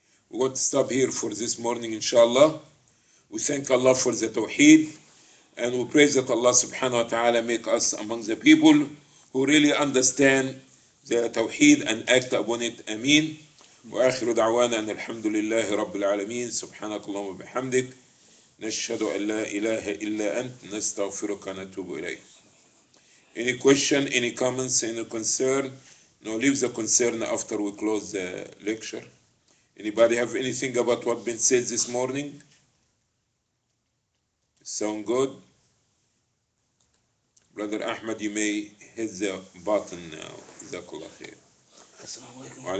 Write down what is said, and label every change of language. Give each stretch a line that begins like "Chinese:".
English: We want to stop here for this morning, inshallah. We thank Allah for the Tawheed, and we pray that Allah subhanahu wa ta'ala make us among the people who really understand the Tawheed and act upon it. Ameen.
Arabic: وآخر دعوانا أن الحمد لله رب العالمين سبحانك اللهم وبحمدك نشهد أن لا إله إلا أنت نستغفرك ونتوب إليك.
English: Any question, any comments, any concern? No, leave the concern after we close the lecture. Anybody have anything about what been said this morning? Sound good? Brother Ahmed, you may hit the button now. Jazakallah khair.